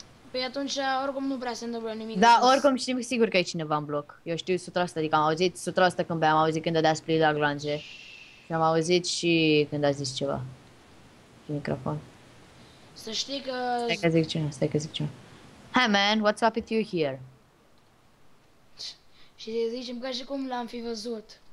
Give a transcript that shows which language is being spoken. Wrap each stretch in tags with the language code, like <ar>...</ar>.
<ro>Păi atunci oricum nu prea se întâmplă nimic. Da, oricum știm sigur că e cineva în bloc. Eu știu 100%, adică am auzit 100% când beam, am auzit când dădea split la glange. Și am auzit și când a zis ceva. Și microfon. Să știi că... Stai că zic ceva, stai că zic ceva.</ro> <en>Hey man, what's up with you here?</en> <ro>Și te zicem ca și cum l-am fi văzut.</ro>